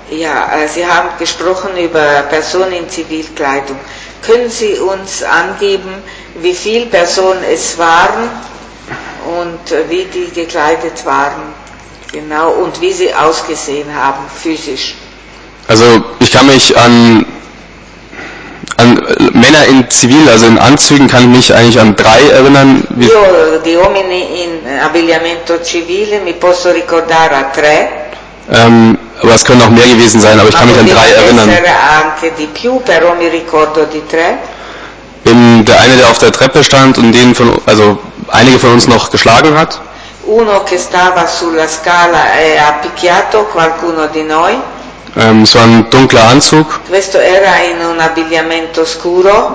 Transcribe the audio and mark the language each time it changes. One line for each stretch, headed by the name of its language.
German: Ja, Sie haben gesprochen über Personen in Zivilkleidung. Können Sie uns angeben, wie viele Personen es waren und wie die gekleidet waren? Genau, und wie sie ausgesehen haben, physisch. Also ich kann mich an Männer in Zivil, also in Anzügen, kann ich mich eigentlich an drei erinnern.
Italian: Io, di uomini in abbigliamento civile, mi posso ricordare a tre.
German: Aber es können auch mehr gewesen sein, aber ich kann mich an drei erinnern.
Italian: Ma potrebbe essere anche di più, però mi ricordo di tre.
German: Eben der eine, der auf der Treppe stand und den von, also einige von uns noch geschlagen hat.
Italian: Uno che stava sulla scala e ha picchiato qualcuno di noi.
German: So ein dunkler Anzug.
Italian: Questo era in un abbigliamento scuro.